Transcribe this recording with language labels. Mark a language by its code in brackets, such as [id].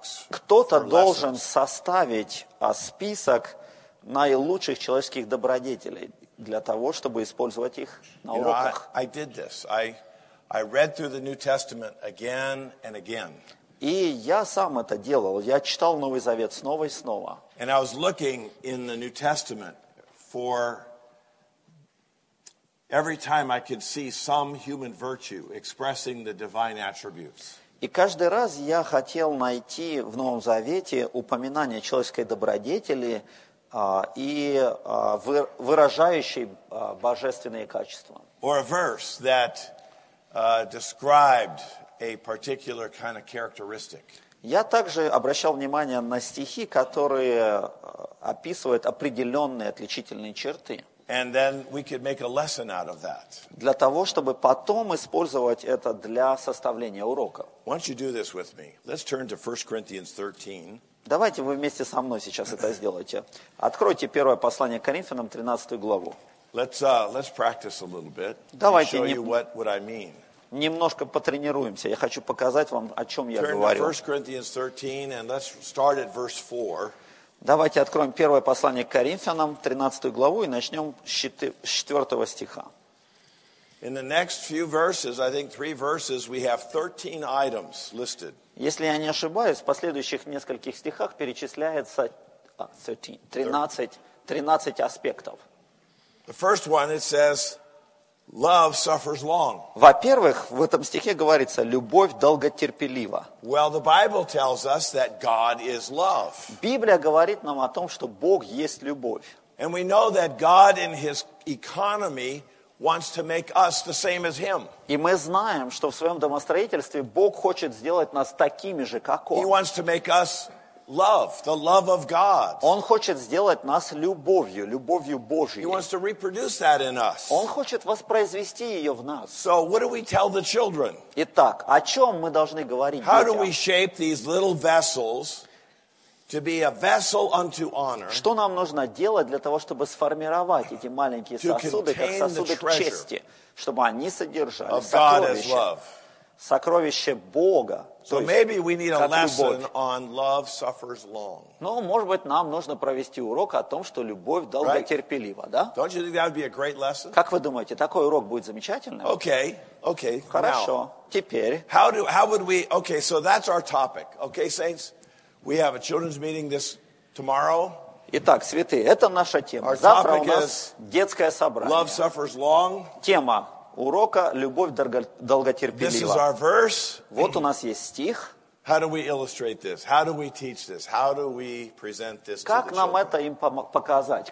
[ru] Кто-то должен составить список наилучших человеческих добродетелей для того, чтобы использовать их на уроках. [en] I did this. I read through the New Testament again and again. [ru] И я сам это делал. Я читал Новый Завет снова и снова. [en] And I was looking in the New Testament for every time I could see some human virtue expressing the divine attributes. [ru] И каждый раз я хотел найти в Новом Завете упоминание человеческой добродетели и выражающей божественные качества. [en] Or a verse that described a particular kind of characteristic. [ru] Я также обращал внимание на стихи, которые описывают определенные отличительные черты. [en] And then we could make a lesson out of that. [ru] Для того, чтобы потом использовать это для составления урока. [en] Why don't you do this with me? Let's turn to 1 Corinthians 13. [ru] Давайте вы вместе со мной сейчас это сделаете. Откройте первое послание к Коринфянам, 13 главу. [en] Let's practice a little bit. [ru] Давайте [en] show you what I mean. [ru] Немножко потренируемся. Я хочу показать вам, о чем я говорю. [en] Turn to 1 Corinthians 13 and let's start at verse 4. [ru] Давайте откроем первое послание к Коринфянам, 13 главу, и начнем с 4 стиха. [en] In the next few verses, I think three verses, we have 13 items listed. [ru] Если я не ошибаюсь, в последующих нескольких стихах перечисляется 13 аспектов. [en] The first one, it says, love suffers long. [ru] Во-первых, в этом стихе говорится, любовь долготерпелива. [en] Well, the Bible tells us that God is love. [ru] Библия говорит нам о том, что Бог есть любовь. [en] And we know that God in his economy wants to make us the same as him. [ru] И мы знаем, что в своем домостроительстве Бог хочет сделать нас такими же, как он. [en] He wants to make us love, the love of God. [ru] Он хочет сделать нас любовью, любовью Божьей. [en] He wants to reproduce that in us. [ru] Он хочет воспроизвести ее в нас. [en] So what do we tell the children? [ru] Итак, о чем мы должны говорить [en] How [ru] детям? [en] How do we shape these little vessels to be a vessel unto honor? [ru] Что нам нужно делать для того, чтобы сформировать эти маленькие сосуды, как сосуды к чести, чтобы они содержали сокровище? Сокровище Бога. [en] So maybe we need a lesson on love suffers long. [ru] Ну, может быть, нам нужно провести урок о том, что любовь долготерпелива, да? [en] Don't you think that would be a great lesson? [ru] Как вы думаете, такой урок будет замечательным? [en] Okay. [ru] Хорошо. Теперь. [en] Okay, so that's our topic. Okay, saints, we have a children's meeting this tomorrow. [ru] Итак, святые, это наша тема. Завтра у нас детское собрание. [en] Love suffers long. [ru] Тема. Урока «Любовь долготерпелива». [en] This is our verse. [ru] Вот у нас есть стих. [en] How do we illustrate this? How do we teach this? How do we present this to the children? [ru] Как нам это им показать?